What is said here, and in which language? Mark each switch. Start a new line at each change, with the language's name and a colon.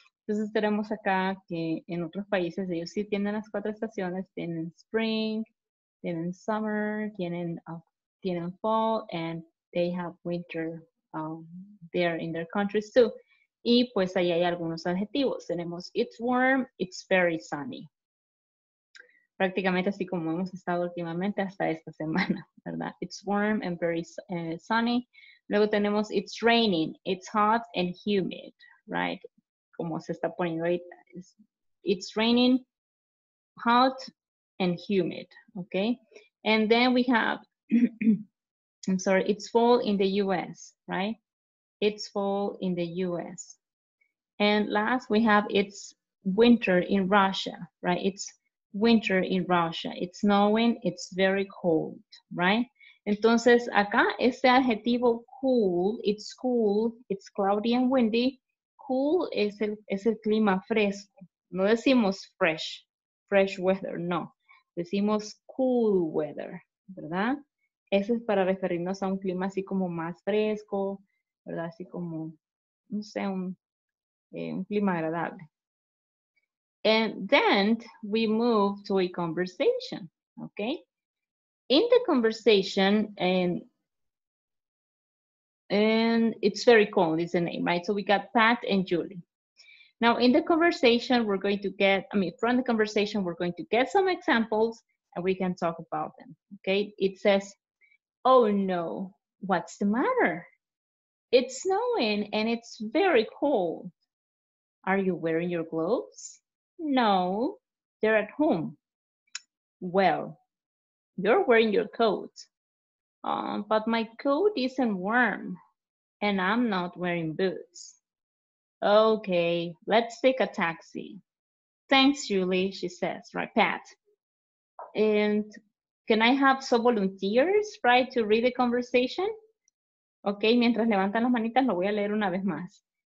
Spanish: Entonces, tenemos acá que en otros países, ellos sí tienen las 4 estaciones.
English: Tienen spring, tienen summer, tienen fall, and they have winter there in their countries, too.
Spanish: Y pues ahí hay algunos adjetivos. Tenemos
English: it's warm, it's very sunny.
Spanish: Prácticamente así como hemos estado últimamente hasta esta semana, ¿verdad?
English: It's warm and very sunny.
Spanish: Luego tenemos
English: it's raining, it's hot and humid, right?
Spanish: Como se está poniendo ahí.
English: It's raining, hot and humid, okay? And then we have, I'm sorry, it's fall in the US, right? It's fall in the US. And last we have it's winter in Russia, right? It's winter in Russia. It's snowing, it's very cold, right?
Spanish: Entonces acá este adjetivo cool,
English: it's cloudy and windy.
Spanish: Cool es el clima fresco. No decimos fresh weather, no. Decimos cool weather, ¿verdad? Eso es para referirnos a un clima así como más fresco, ¿verdad? Así como, no sé, un clima agradable.
English: And then we move to a conversation, okay? In the conversation, and it's very cold, is the name, right? So we got Pat and Julie. Now in the conversation, from the conversation, we're going to get some examples and we can talk about them, okay? It says, oh no, what's the matter? It's snowing and it's very cold. Are you wearing your gloves? No, they're at home. Well, you're wearing your coat. But my coat isn't warm and I'm not wearing boots. Okay, let's take a taxi. Thanks, Julie, she says, right, Pat. And can I have some volunteers, right, to read the conversation?
Spanish: Okay, mientras levantan las manitas, lo voy a leer una vez más.